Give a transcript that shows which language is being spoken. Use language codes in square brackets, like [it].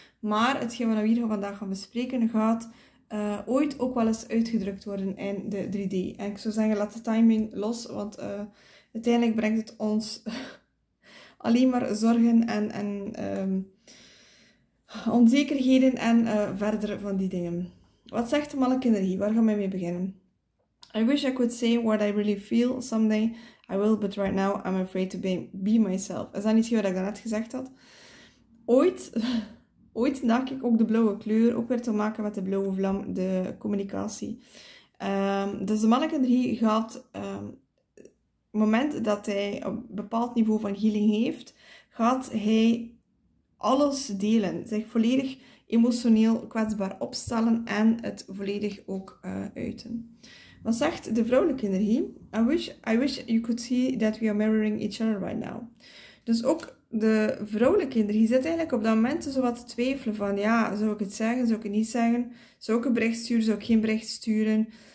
[nl] Maar hetgeen wat we hier vandaag gaan bespreken, gaat ooit ook wel eens uitgedrukt worden in de 3D. En ik zou zeggen, laat de timing los, want uiteindelijk brengt het ons alleen maar zorgen en onzekerheden en verder van die dingen. Wat zegt de mannelijke energie? Waar gaan we mee beginnen? [en] I wish I could say what I really feel someday. I will, but right now I'm afraid to be myself. [nl] Is dat niet wat ik daarnet gezegd had? Ooit dacht ik ook de blauwe kleur, ook weer te maken met de blauwe vlam, de communicatie. Dus de mannelijke energie gaat op het moment dat hij een bepaald niveau van healing heeft, gaat hij alles delen. Zich volledig emotioneel kwetsbaar opstellen en het volledig ook uiten. Wat zegt de vrouwelijke energie? [en] I wish you could see that we are mirroring each other right now. [nl] Dus ook de vrouwelijke energie zit eigenlijk op dat moment zo wat te twijfelen van ja, zou ik het zeggen, zou ik het niet zeggen? Zou ik een bericht sturen, zou ik geen bericht sturen?